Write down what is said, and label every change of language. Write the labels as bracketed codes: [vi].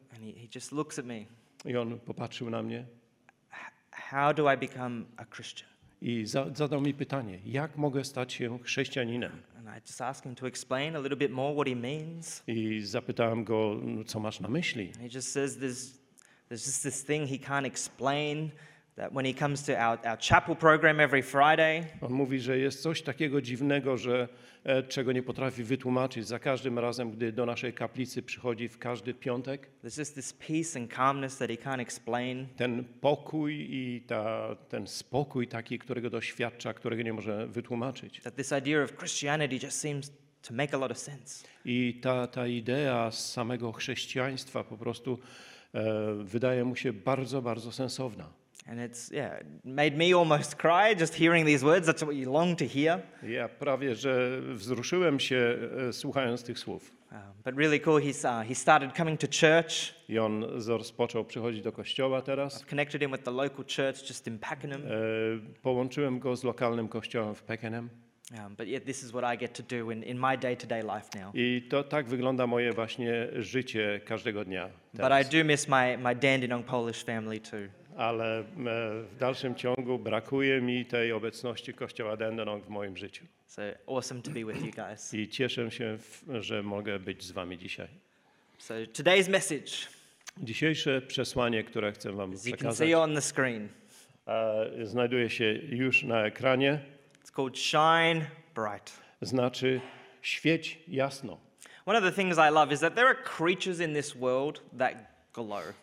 [en] And he just looks at me. [pl] I on popatrzył na mnie. [en] How do I become a Christian? [pl] I zadał mi pytanie, jak mogę stać się chrześcijaninem? [en] And I just asked him to explain a little bit more what he means. [pl] I zapytałem go, co masz na myśli? [en] And he just says there's just this thing he can't explain that when he comes to our chapel program every Friday. [pl] On mówi, że jest coś takiego dziwnego, że czego nie potrafi wytłumaczyć za każdym razem, gdy do naszej kaplicy przychodzi w każdy piątek. [en] There's just this peace and calmness that he can't explain. [pl] Ten pokój i ten spokój taki, którego doświadcza, którego nie może wytłumaczyć. [en] That this idea of Christianity just seems to make a lot of sense. [pl] I ta idea samego chrześcijaństwa po prostu wydaje mu się bardzo, bardzo sensowna. [en] And it's, made me almost cry just hearing these words. That's what you long to hear. [pl] Ja prawie, że wzruszyłem się słuchając tych słów. [en] But really cool, he started coming to church. [pl] I on rozpoczął przychodzić do kościoła teraz. [en] I've connected him with the local church just in Pakenham. [pl] Połączyłem go z lokalnym kościołem w Pakenham. [en] But yet this is what I get to do in my day-to-day life now. [pl] I to tak wygląda moje właśnie życie każdego dnia. Teraz. [en] But I do miss my Dandenong Polish family too. [pl] Ale w dalszym ciągu brakuje mi tej obecności kościoła Dandenong w moim życiu. [en] So awesome to be with you guys. [pl] I cieszę się, że mogę być z wami dzisiaj. [en] So today's message. [pl] Dzisiejsze przesłanie, które chcę wam przekazać. [en] You can see on the screen. [pl] Znajduje się już na ekranie. [en] It's called shine bright. [pl] Znaczy świeć jasno. [en] One of the things I love is that there are creatures in this world that glow.